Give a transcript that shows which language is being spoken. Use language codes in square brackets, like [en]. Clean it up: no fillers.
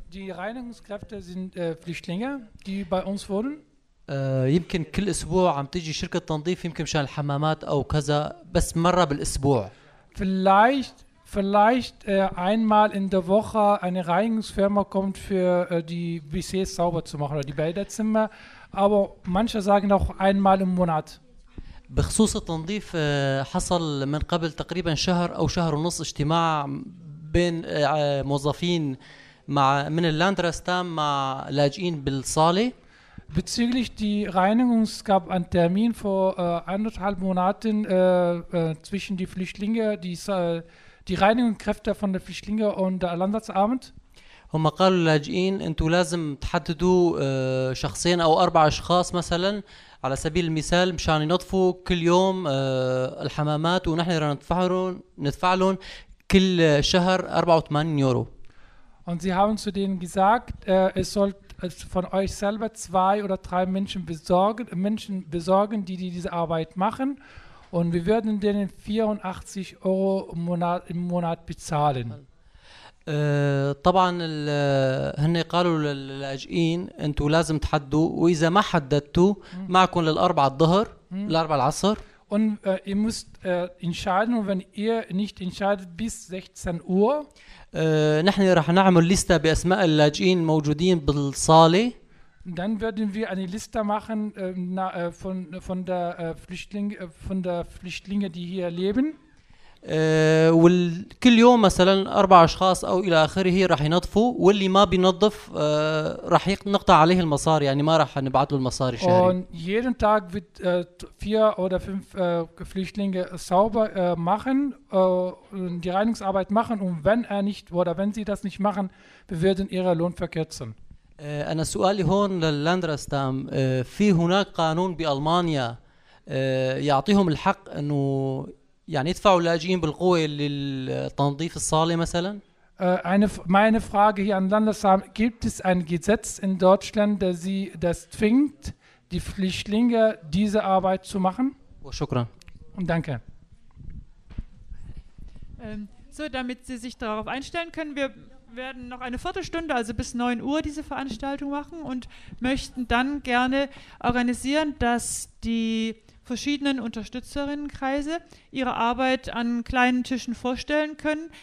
[de] دي Reinigungskräfte sind Flüchtlinge die bei uns wohnen [ar] يمكن كل اسبوع عم تيجي شركه تنظيف يمكن مشان الحمامات او كذا بس مره بالاسبوع [de] vielleicht einmal in der woche eine reinigungsfirma kommt für die WCs sauber zu machen oder die Badezimmer aber manche sagen auch einmal im monat [ar] بخصوص التنظيف حصل من قبل تقريبا شهر او شهر ونص اجتماع بين موظفين مع من اللاندرستام مع لاجئين بالصاله [de] bezüglich die Reinigung gab ein Termin vor anderthalb Monaten zwischen die Flüchtlinge die Reinigungskräfte von der Flüchtlinge und der Landratsamt [ar] هم قالوا للاجئين انتوا لازم تحددوا شخصين او اربع اشخاص مثلا على سبيل المثال مشان ينظفوا كل يوم الحمامات ونحن ندفع لهم كل شهر 84 يورو [de] Und sie haben zu denen gesagt, es soll von euch selber zwei oder drei Menschen besorgen, die diese Arbeit machen Und wir werden denen 84 Euro im Monat bezahlen. [ar] طبعا هن قالوا للاجئين انتوا لازم تحددوا واذا ما حددتوا معكم للاربع الظهر للاربع العصر [de] und ihr müsst entscheiden und wenn ihr nicht entscheidet bis 16 Uhr [ar] نحن راح نعمل لستة باسماء اللاجئين موجودين بالصاله [de] dann werden wir eine Liste machen von der Flüchtlinge die hier leben [ar] وكل يوم مثلا اربع اشخاص او الى اخره راح ينظفوا واللي ما بينظف راح نقطع عليه المصاري يعني ما راح نبعث له المصاري الشهري [de] und jeden Tag wird vier oder fünf Flüchtlinge sauber machen die Reinigungsarbeit machen und wenn er nicht oder wenn sie das nicht machen wir werden ihren Lohn verkürzen [ar] انا سؤالي هون لللاندرستام في هناك قانون بالمانيا يعطيهم الحق انه يعني يدفعوا اللاجئين بالقوة للتنظيف الصالة مثلاً؟ [de] meine Frage hier an Landesamt, gibt es ein Gesetz in Deutschland, das zwingt die Flüchtlinge diese Arbeit zu machen? [ar] شكراً. [de] Und danke. So, damit Sie sich darauf einstellen können, wir werden noch eine Viertelstunde, also bis 9 Uhr, diese Veranstaltung machen und möchten dann gerne organisieren, dass die verschiedenen Unterstützerinnenkreise ihre Arbeit an kleinen Tischen vorstellen können.